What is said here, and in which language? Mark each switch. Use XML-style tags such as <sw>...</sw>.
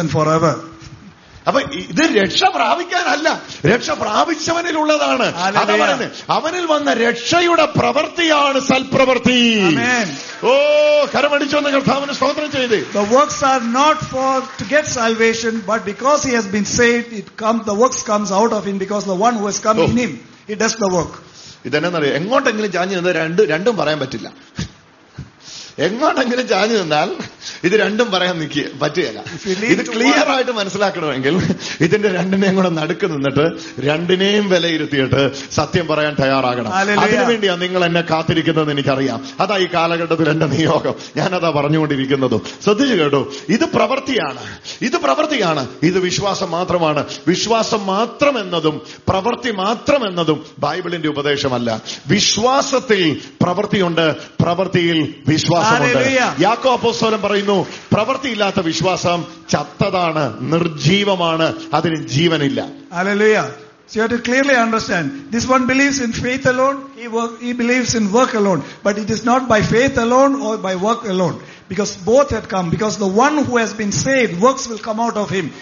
<ml>അപ്പൊ ഇത് രക്ഷ പ്രാപിക്കാനല്ല, രക്ഷ പ്രാപിച്ചവനിലുള്ളതാണ്. അവനിൽ വന്ന രക്ഷയുടെ പ്രവൃത്തിയാണ് സൽപ്രവൃത്തി. ഓ, കരമടിച്ചു വന്ന കർത്താവിന് സ്തോത്രം ചെയ്ത്.</ml> <en>The works are not for to get salvation, but because he has been saved, the works comes out of him, because the one who has come in him, he does the work.</en> <ml>ഇതെന്നറിയോ, എങ്ങോട്ടെങ്കിലും ചാഞ്ഞു നിന്ന് രണ്ടും പറയാൻ പറ്റില്ല. എങ്ങോട്ടെങ്കിലും ചാഞ്ഞു നിന്നാൽ ഇത് രണ്ടും പറയാൻ നിൽക്കുക പറ്റുകയില്ല. ഇത് ക്ലിയർ ആയിട്ട് മനസ്സിലാക്കണമെങ്കിൽ ഇതിന്റെ രണ്ടിനെയും കൂടെ നടുക്ക് നിന്നിട്ട് രണ്ടിനെയും വിലയിരുത്തിയിട്ട് സത്യം പറയാൻ തയ്യാറാകണം. അതിനുവേണ്ടിയാണ് നിങ്ങൾ എന്നെ കാത്തിരിക്കുന്നത്, എനിക്കറിയാം. അതാ ഈ കാലഘട്ടത്തിൽ എന്റെ നിയോഗം, ഞാനതാ പറഞ്ഞുകൊണ്ടിരിക്കുന്നതും. ശ്രദ്ധിച്ചു കേട്ടോ, ഇത് പ്രവൃത്തിയാണ്. ഇത് വിശ്വാസം മാത്രമാണ്. വിശ്വാസം മാത്രമെന്നതും പ്രവൃത്തി മാത്രമെന്നതും ബൈബിളിന്റെ ഉപദേശമല്ല. വിശ്വാസത്തിൽ പ്രവൃത്തിയുണ്ട്, പ്രവൃത്തിയിൽ വിശ്വാസമുണ്ട്. യാക്കോബ് അപ്പോസ്തലൻ പറയുന്നു, പ്രവൃത്തിയില്ലാത്ത വിശ്വാസം ചത്തതാണ്, നിർജീവമാണ്, അതിന് ജീവനില്ല. Hallelujah.</ml> <en>So you have to clearly understand, this one believes in faith alone, he believes in work alone, but it is not by faith alone or by work alone, because both had come, because the one who has been saved, works will come out of him.</en>